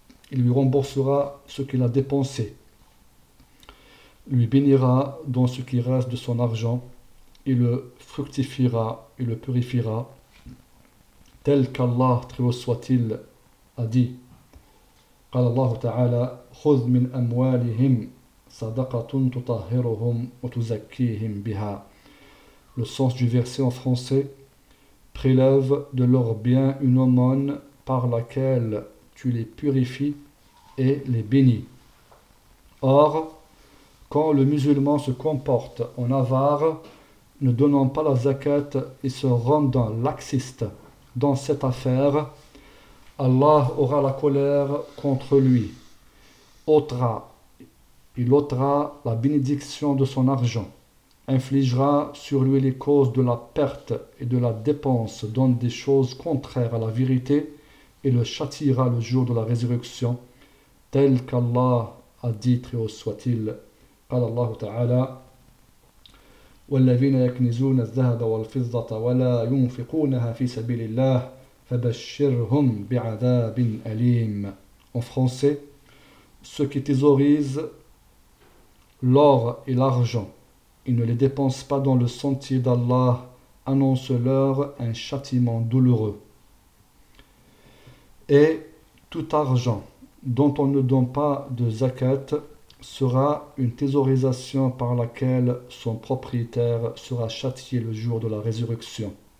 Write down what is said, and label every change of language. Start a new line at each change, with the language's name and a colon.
French: Il lui remboursera ce qu'il a dépensé, lui bénira dans ce qui reste de son argent, il le fructifiera, il le purifiera, tel qu'Allah, très haut soit-il, a dit.
Arabic: قال الله تعالى خذ من أموالهم صدقة تطهرهم وتزكيهم بها.
French: Le sens du verset en français, prélève de leur bien une aumône par laquelle tu les purifies et les bénis. Or, quand le musulman se comporte en avare, ne donnant pas la zakat et se rendant laxiste dans cette affaire, Allah aura la colère contre lui. Il ôtera la bénédiction de son argent, infligera sur lui les causes de la perte et de la dépense dans des choses contraires à la vérité et le châtiera le jour de la résurrection tel qu'Allah a dit, très haut soit-il,
Arabic: قال الله تعالى والذين يكنزون الذهب والفضة ولا ينفقونها في سبيل الله فبشرهم بعذاب أليم.
French: En français, ceux qui thésaurisent l'or et l'argent, ils ne les dépensent pas dans le sentier d'Allah, annonce-leur un châtiment douloureux. Et tout argent dont on ne donne pas de zakat sera une thésaurisation par laquelle son propriétaire sera châtié le jour de la résurrection.